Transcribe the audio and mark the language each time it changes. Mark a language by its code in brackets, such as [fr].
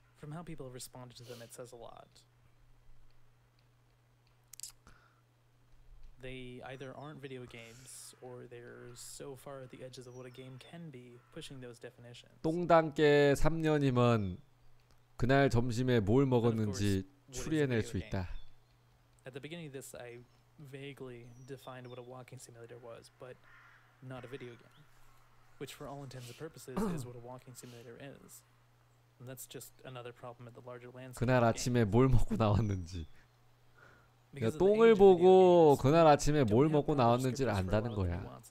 [en] how people responded to them, it says a lot. They either aren't video games, or they're so far at the edges of what a game can be, pushing those definitions. [ko] 똥당께 3년이면 그날 점심에 뭘 먹었는지 추리해낼 수 있다. [en] At the beginning of this, I vaguely defined what a walking simulator was, but not a video game, which for all intents and purposes is what a walking simulator is. And that's just another problem in the larger landscape. [ko] 그날 아침에 뭘 먹고 나왔는지. 내가 똥을 보고 그날 아침에 뭘 먹고 나왔는지를 안다는 거야.